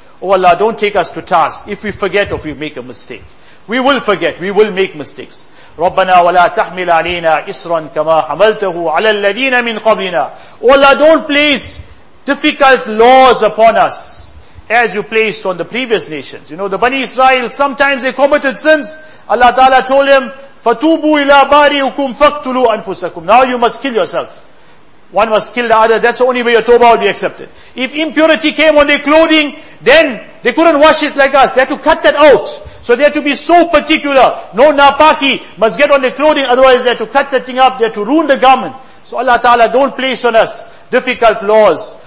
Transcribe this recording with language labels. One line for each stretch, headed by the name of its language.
English: Oh Allah, don't take us to task if we forget or if we make a mistake. We will forget. We will make mistakes.
Arabic: رَبَّنَا وَلَا تَحْمِلْ عَلَيْنَا إِسْرًا كَمَا حَمَلْتَهُ عَلَى الَّذِينَ مِنْ قَبْلِنَا.
English: O Allah, don't place difficult laws upon us as you placed on the previous nations. You know, the Bani Israel, sometimes they committed sins. Allah Ta'ala told him,
Arabic: فَتُوبُوا إِلَىٰ بَارِئِكُمْ فَاقْتُلُوا أَنفُسَكُمْ.
English: Now you must kill yourself. One must kill the other. That's the only way your tawbah will be accepted. If impurity came on their clothing, then they couldn't wash it like us. They had to cut that out. So they had to be so particular. No napaki must get on their clothing. Otherwise they had to cut that thing up. They had to ruin the garment. So Allah Ta'ala, don't place on us difficult laws.